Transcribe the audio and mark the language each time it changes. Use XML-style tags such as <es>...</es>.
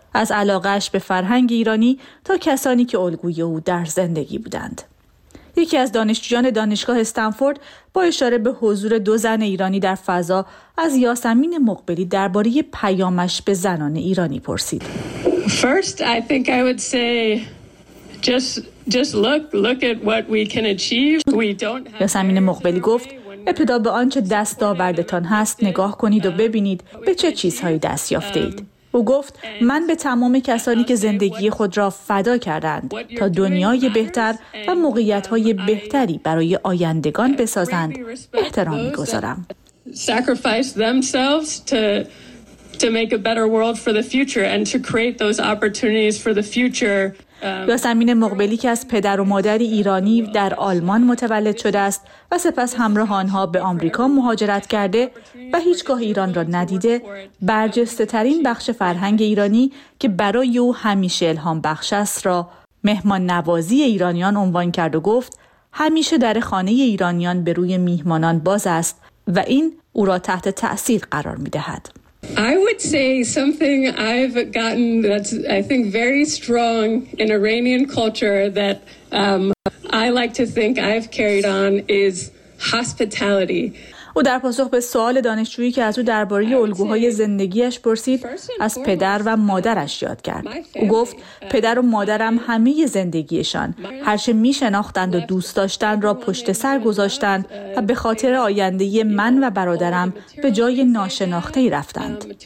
<fa>از علاقهش به فرهنگ ایرانی تا کسانی که الگوی او در زندگی بودند. یکی از دانشجویان دانشگاه استنفورد با اشاره به حضور دو زن ایرانی در فضا از یاسمین مقبلی درباره پیامش به زنان ایرانی پرسید.</fa> <en>First, I think I would say just look at what we can achieve. We don't have.</en> <fa>یاسمین مقبلی گفت: ابتدا به آنچه دستاوردتان هست نگاه کنید و ببینید به چه چیزهایی دست یافته اید. او گفت: من به تمام کسانی که زندگی خود را فدا کردند تا دنیای بهتر و موقعیت‌های بهتری برای آیندگان بسازند احترام می‌گذارم.</fa> <en>Sacrifice themselves to make a better world for the future and to create those opportunities for the future.</en> <fa>یاسمین مقبلی که از پدر و مادر ایرانی در آلمان متولد شده است و سپس همراه آنها به آمریکا مهاجرت کرده و هیچگاه ایران را ندیده، برجسته ترین بخش فرهنگ ایرانی که برای او همیشه الهام بخش است را مهمان نوازی ایرانیان عنوان کرد و گفت: همیشه در خانه ایرانیان به روی میهمانان باز است و این او را تحت تأثیر قرار می دهد.</fa> <en>I would say something I've gotten that's I think very strong in Iranian culture that I like to think I've carried on is hospitality.</en> <fa>او در پاسخ به سوال دانشجویی که از او درباره الگوهای زندگیش پرسید، از پدر و مادرش یاد کرد. او گفت: پدر و مادرم همه زندگیشان، هرچه می شناختند و دوست داشتند را پشت سر گذاشتند و به خاطر آینده من و برادرم به جای ناشناخته‌ای رفتند.</fa>